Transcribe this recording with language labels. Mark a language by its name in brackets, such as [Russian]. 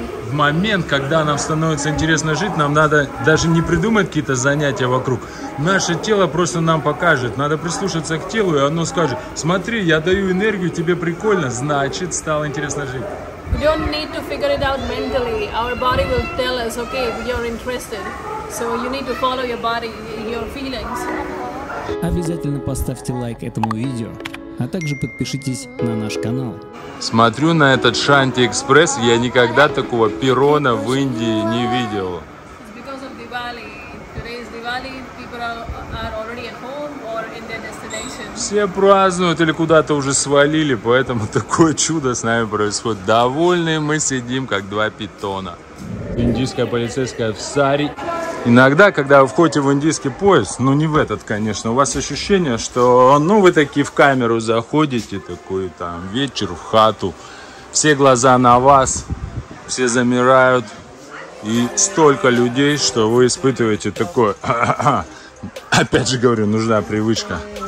[Russian] В момент, когда нам становится интересно жить, нам надо даже не придумать какие-то занятия вокруг. Наше тело просто нам покажет. Надо прислушаться к телу, и оно скажет: смотри, я даю энергию, тебе прикольно, значит, стало интересно жить. [English] We don't need to figure it out mentally. Our body will tell us, okay, you're interested. So you need to follow your body, your feelings. [Russian] Обязательно поставьте лайк этому видео, а также подпишитесь на наш канал. Смотрю на этот Шанти Экспресс, я никогда такого пирона в Индии не видел. [English] It's because of Diwali. Today is Diwali. People are already at home or in their destination. [Russian] Все празднуют или куда-то уже свалили, поэтому такое чудо с нами происходит. Довольны мы сидим, как два питона. Индийская полицейская в сари. Иногда, когда вы входите в индийский поезд, ну не в этот, конечно, у вас ощущение, что, ну, вы такие в камеру заходите, такой там вечер в хату, все глаза на вас, все замирают, и столько людей, что вы испытываете такое, опять же говорю, нужна привычка.